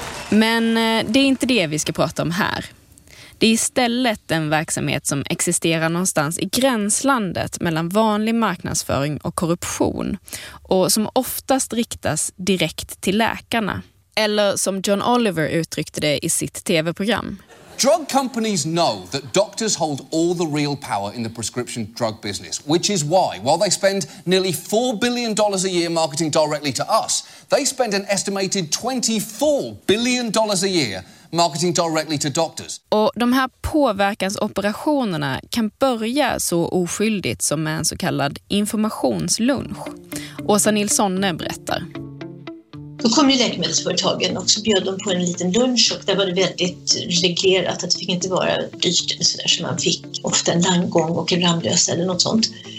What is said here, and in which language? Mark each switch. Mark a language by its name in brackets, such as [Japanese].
[Swedish] Men det är inte det vi ska prata om här. Det är istället en verksamhet som existerar någonstans i gränslandet mellan vanlig marknadsföring och korruption och som oftast riktas direkt till läkarna. Eller som John Oliver uttryckte det i sitt TV-program. [English] Drug companies know that doctors hold all the real power in the prescription drug business, which is why, while they spend nearly $4 billion a year marketing directly to us, they spend an estimated $24 billion a year marketing directly to doctors. [Swedish] Och de här påverkansoperationerna kan börja så oskyldigt som en så kallad informationslunch. Åsa Nilssonne berättar. Då kom ju läkemedelsföretagen och så bjöd de på en liten lunch och där var det väldigt reglerat att det fick inte vara dyrt eller sådär, så man fick ofta en landgång och en Ramlösa eller något sånt.